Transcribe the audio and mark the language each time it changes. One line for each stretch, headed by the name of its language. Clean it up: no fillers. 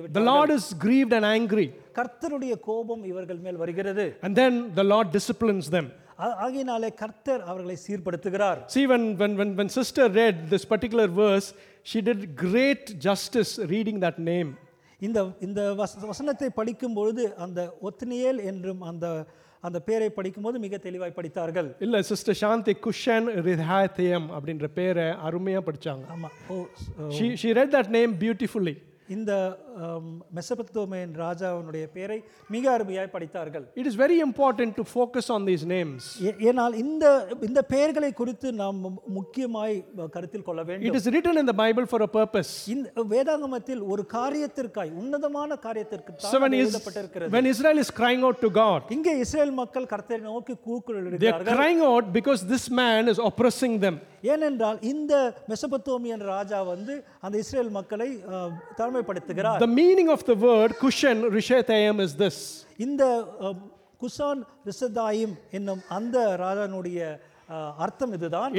Tamil: விட்டார்கள்
English: The Lord is grieved and angry
Tamil: கர்த்தருடைய கோபம் இவர்கள் மேல் வருகிறது
English: And then the Lord disciplines them
Tamil: ஆகையினாலே கர்த்தர் அவர்களை சீர்படுத்துகிறார்
English: See when sister read this particular verse she did great justice reading that name
Tamil: இந்த வசனத்தை படிக்கும் பொழுது அந்த ஒத்னியேல் என்றும் அந்த பெயரை படிக்கும்போது மிக தெளிவாய் படித்தார்கள் இல்ல சிஸ்டர் சாந்தி குஷன் ரிஹாயதியம் அப்படிங்கற பெயரை அருமையா படிச்சாங்க ஆமா
English: she read that name beautifully
Tamil: இந்த மெசபத்தோமேன் ராஜாவினுடைய பெயரை மிக அருமையாய் படித்தார்கள்
English: it is very important to focus on these names
Tamil: ஏனால் இந்த பெயர்களை குறித்து நாம் முக்கியமாய் கருத்தில் கொள்ள வேண்டும்
English: it is written in the bible for a purpose
Tamil: இந்த வேதாகமத்தில் ஒரு காரியத்திற்காய் உன்னதமான காரியத்திற்கு தான் எழுதப்பட்டிருக்கிறது
English: when israel is crying out to god
Tamil: இங்கே இஸ்ரவேல் மக்கள் கர்த்தரை நோக்கி கூக்குரலிடுகிறார்கள்
English: they are crying out because this man is oppressing them
Tamil: ஏனென்றால் இந்த மெசபத்தோமியன் ராஜா வந்து அந்த இஸ்ரேல் மக்களை தாழ்மைப்படுத்துகிறார்
English: The meaning of the word Kushan Rishathaim is this
Tamil: இந்த குசான் ரிஷதாயிம் என்னும் அந்த ராஜனுடைய அர்த்தம் இதுதான்